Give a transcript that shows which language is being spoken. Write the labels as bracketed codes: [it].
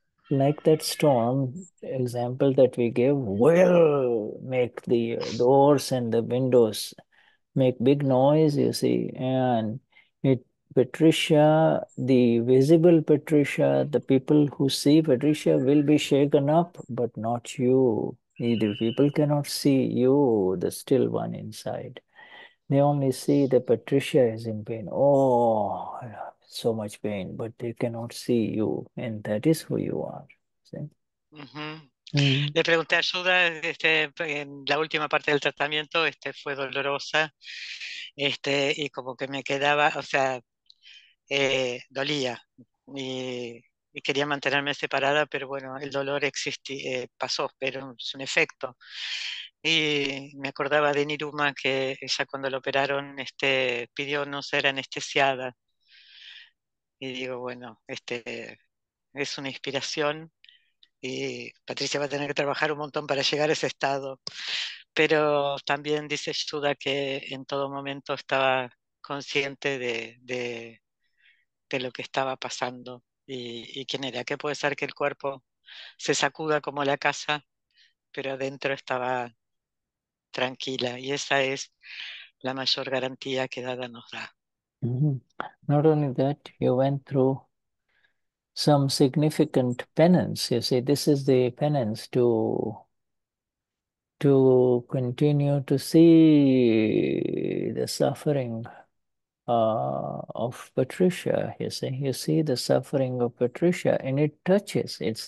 [en] like that storm example that we give, will make the doors and the windows make big noise, you see, and it, Patricia, the visible Patricia, the people who see Patricia will be shaken up, but not you. The people cannot see you, the still one inside. They only see that Patricia is in pain. Oh, so much pain, but they cannot see you, and that is who you are. See? Mm-hmm. [es] Le pregunté ayuda, en la última parte del tratamiento fue dolorosa, y como que me quedaba, o sea, dolía, y quería mantenerme separada, pero bueno, el dolor existe, pasó, pero es un efecto. Y me acordaba de Niruma, que ella cuando lo operaron pidió no ser anestesiada. Y digo, bueno, es una inspiración. Y Patricia va a tener que trabajar un montón para llegar a ese estado. Pero también dice Shuddha que en todo momento estaba consciente de lo que estaba pasando y quién era. Que puede ser que el cuerpo se sacuda como la casa, pero adentro estaba tranquila. Y esa es la mayor garantía que Dada nos da. Mm-hmm. [en] Not only that, you went through some significant penance, you see, this is the penance to continue to see the suffering of Patricia, you see the suffering of Patricia, and it touches,